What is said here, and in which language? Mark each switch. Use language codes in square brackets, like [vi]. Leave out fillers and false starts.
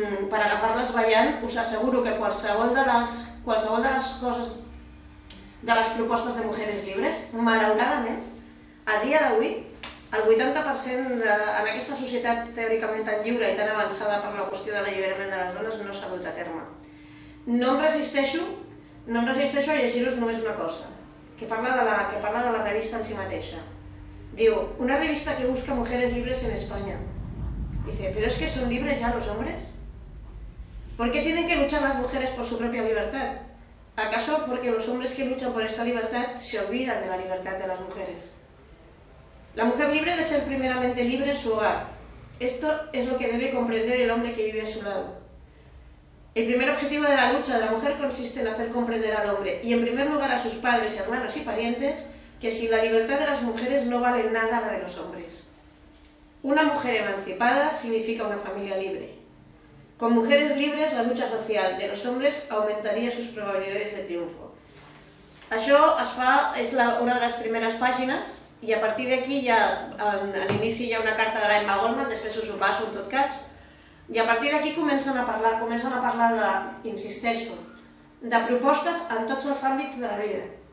[ca] per agafar-les ballant, us asseguro que qualsevol de les coses de les propostes de Mujeres Libres, malauradament, a dia d'avui, el 80% en aquesta societat teòricament tan lliure i tan avançada per la qüestió de l'alliberament de les dones no s'ha dut a terme. No em resisteixo a llegir-vos només una cosa, que parla de la revista en si mateixa. [es] Diu, una revista que busca Mujeres Libres en España. Dice, ¿pero es que son libres ya los hombres? ¿Por qué tienen que luchar las mujeres por su propia libertad? ¿Acaso porque los hombres que luchan por esta libertad se olvidan de la libertad de las mujeres? La mujer libre debe ser primeramente libre en su hogar. Esto es lo que debe comprender el hombre que vive a su lado. El primer objetivo de la lucha de la mujer consiste en hacer comprender al hombre, y en primer lugar a sus padres, hermanos y parientes, que sin la libertad de las mujeres no vale nada la de los hombres. Una mujer emancipada significa una familia libre. Con mujeres libres, la lucha social de los hombres aumentaría sus probabilidades de triunfo. [ca] Això es fa, és la, una de les primeres pàgines, i a partir d'aquí ja, a l'inici hi ha una carta de la Emma Goldman, després us ho passo en tot cas, i a partir d'aquí comencen a parlar de, insisteixo, de propostes en tots els àmbits de la vida.